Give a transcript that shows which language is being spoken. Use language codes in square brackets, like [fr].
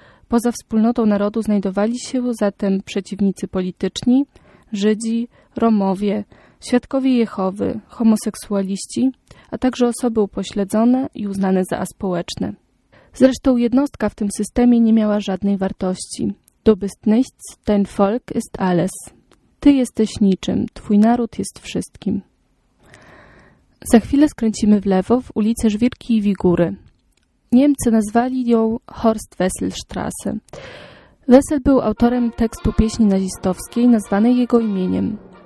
[pl] Poza wspólnotą narodu znajdowali się zatem przeciwnicy polityczni, Żydzi, Romowie, Świadkowie Jehowy, homoseksualiści, a także osoby upośledzone i uznane za aspołeczne. Zresztą jednostka w tym systemie nie miała żadnej wartości. [de] Du bist nichts, dein Volk ist alles. [pl] Ty jesteś niczym, twój naród jest wszystkim. Za chwilę skręcimy w lewo w ulicę Żwirki i Wigury. Niemcy nazwali ją Horst Wesselstraße. Wessel był autorem tekstu pieśni nazistowskiej nazwanej jego imieniem.